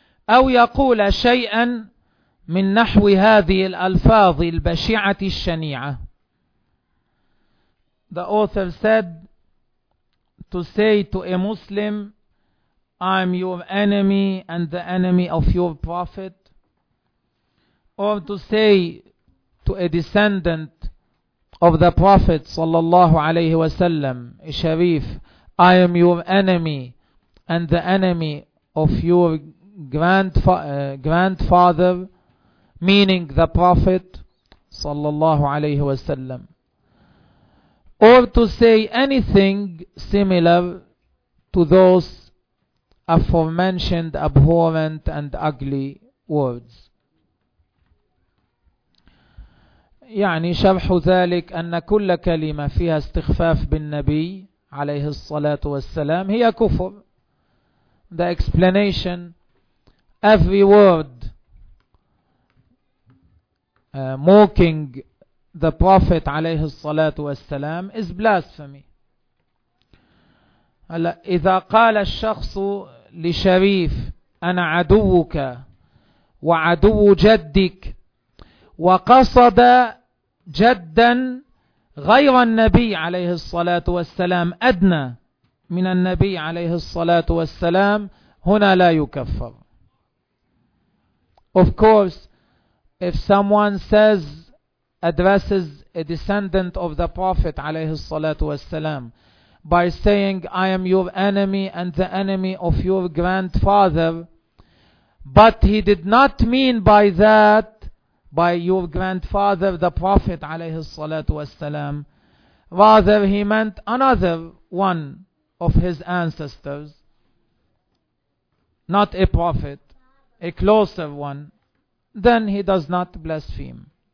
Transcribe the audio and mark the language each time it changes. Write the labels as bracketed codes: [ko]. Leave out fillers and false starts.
[ar] أو يقول شيئا من نحو هذه الألفاظ البشعة الشنيعة. [en] The author said to say to a Muslim, I'm your enemy and the enemy of your prophet, or to say to a descendant of the prophet [ar] صلى الله عليه وسلم, [en] a Sharif, I am your enemy and the enemy of your grandfather, meaning the Prophet [ar] sallallahu alayhi wa sallam, [en] or to say anything similar to those aforementioned abhorrent and ugly words. [ar] يعني شرح ذلك أن كل كلمة فيها استخفاف بالنبي عليه الصلاة والسلام هي كفر. [en] The explanation: every word mocking the Prophet [ar] عليه الصلاة والسلام [en] is blasphemy. [ar] إذا قال الشخص لشريف أنا عدوك وعدو جدك وقصد جدا غير النبي عليه الصلاة والسلام أدنى من النبي عليه الصلاة والسلام هنا لا يكفر. [en] Of course, if someone says, addresses a descendant of the Prophet [ar] عليه الصلاة والسلام [en] by saying, I am your enemy and the enemy of your grandfather, but he did not mean by that, by your grandfather, the Prophet [ar] عليه الصلاة والسلام, [en] rather he meant another one of his ancestors, not a prophet, a closer one, then he does not blaspheme.